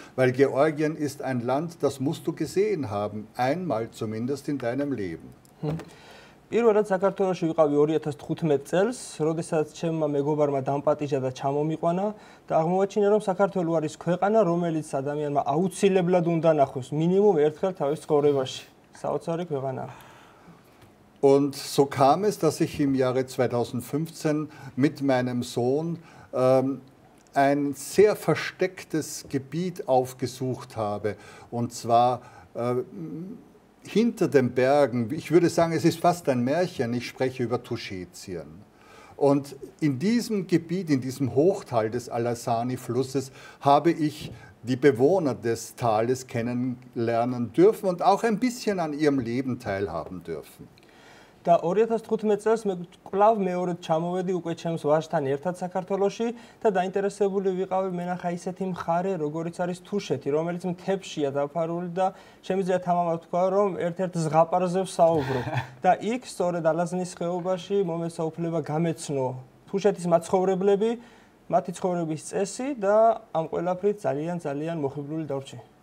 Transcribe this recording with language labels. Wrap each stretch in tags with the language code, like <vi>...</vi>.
<de>Weil Georgien ist ein Land, das musst du gesehen haben, einmal zumindest in deinem Leben.</de> <ka>პირველად საქართველოში ვიყავი 2015 წელს, როდესაც ჩემმა მეგობარმა დამპატიჟა და ჩამომიყვანა და აღმოაჩინა, რომ საქართველო არის ქვეყანა, რომელიც ადამიანმა აუცილებლად უნდა ნახოს მინიმუმ ერთხელ თავის ცხოვრებაში. საოცარი ქვეყანა.</ka> <de>Und so kam es, dass ich im Jahre 2015 mit meinem Sohn ein sehr verstecktes Gebiet aufgesucht habe. Und zwar hinter den Bergen. Ich würde sagen, es ist fast ein Märchen. Ich spreche über Tuschetien. Und in diesem Gebiet, in diesem Hochtal des Alasani-Flusses, habe ich die Bewohner des Tales kennenlernen dürfen und auch ein bisschen an ihrem Leben teilhaben dürfen.</de> <ka>და 2015 წელს მე კვლავ მეორედ ჩამოვედი უკვე ჩემს ვაჟთან ერთად საქართველოში და დაინტერესებული ვიყავი მენახა ისეთი მხარე, როგორიც არის თუშეთი, რომელიც მთებშია დაფარული და შემიძლია თამამად ვთქვა, რომ ერთ-ერთ ზღაპარზე ვსაუბრო. და იქ, სწორედ ალაზნის ხეობაში, მომეცა უფლება გამეცნო თუშეთის მაცხოვრებლები, მათი ცხოვრების წესი და ამ ყველაფრით ძალიან ძალიან მოხიბლული დარჩი.</ka>